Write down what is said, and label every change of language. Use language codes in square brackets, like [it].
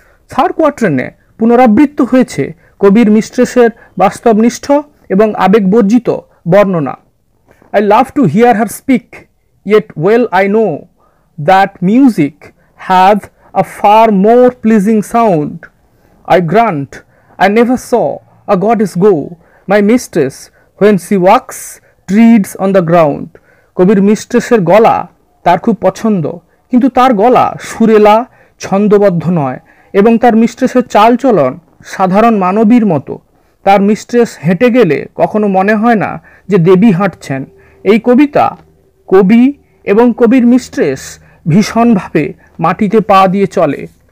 [bn] Third কোয়ার্টারে পুনরাবৃত্ত হয়েছে কবির মিস্ট্রেসের বাস্তবনিষ্ঠ এবং আবেগবর্জিত বর্ণনা, [en] I love to hear her speak yet well I know that music have a far more pleasing sound. I grant, I never saw a goddess go, my mistress, when she walks, treads on the ground. [bn] কবির মিস্ট্রেসের গলা তার খুব পছন্দ কিন্তু তার গলা সুরেলা ছন্দবদ্ধ নয় এবং তার মিস্ট্রেসের চালচলন সাধারণ মানবীর মতো। তার মিস্ট্রেস হেঁটে গেলে কখনো মনে হয় না যে দেবী হাঁটছেন। এই কবিতা কবি এবং কবির মিস্ট্রেস ভীষণভাবে মাটিতে পা দিয়ে চলে।